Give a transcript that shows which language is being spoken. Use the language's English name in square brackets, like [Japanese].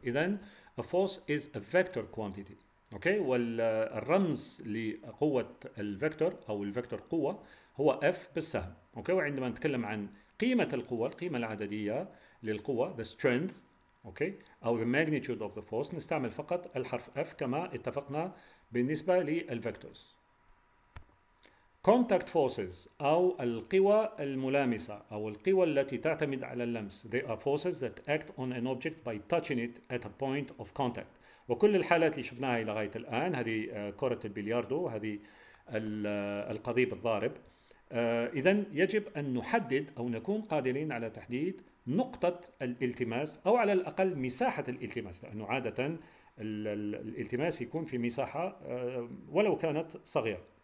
[Arabic] إذا [English] a force is a vector quantity، [Arabic] أوكي، والرمز لقوة الفيكتور أو الفيكتور قوة هو F بالسهم، أوكي، وعندما نتكلم عن قيمة القوة، القيمة العددية للقوة [English] the strength okay [Arabic] أو [English] the magnitude of the force [Arabic] نستعمل فقط الحرف F كما اتفقنا بالنسبة للفكتورز. [English] contact forces [Arabic] أو القوى الملامسة أو القوى التي تعتمد على اللمس [English] they are forces that act on an object by touching it at a point of contact. [Arabic] وكل الحالات اللي شفناها لغاية الآن هذه كرة البلياردو، هذه القضيب الضارب. إذن يجب أن نحدد أو نكون قادرين على تحديد نقطة الالتماس أو على الأقل مساحة الالتماس، لأنه عادة الالتماس يكون في مساحة ولو كانت صغيرة.